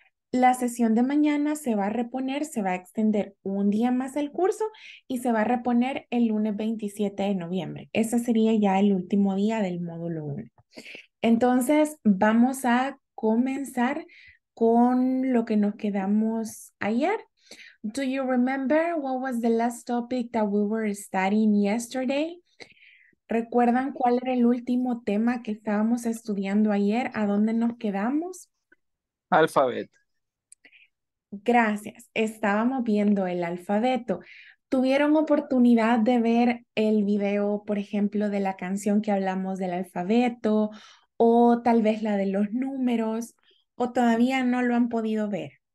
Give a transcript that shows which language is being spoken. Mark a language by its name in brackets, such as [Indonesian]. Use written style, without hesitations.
[Spanish] La sesión de mañana se va a reponer, se va a extender un día más el curso y se va a reponer el lunes 27 de noviembre. Ese sería ya el último día del módulo 1. Entonces, vamos a comenzar con lo que nos quedamos ayer. [English] Do you remember what was the last topic that we were studying yesterday? [Spanish] ¿Recuerdan cuál era el último tema que estábamos estudiando ayer? ¿A dónde nos quedamos? Alfabeto. Gracias. Estábamos viendo el alfabeto. ¿Tuvieron oportunidad de ver el video, por ejemplo, de la canción que hablamos del alfabeto o tal vez la de los números o todavía no lo han podido ver?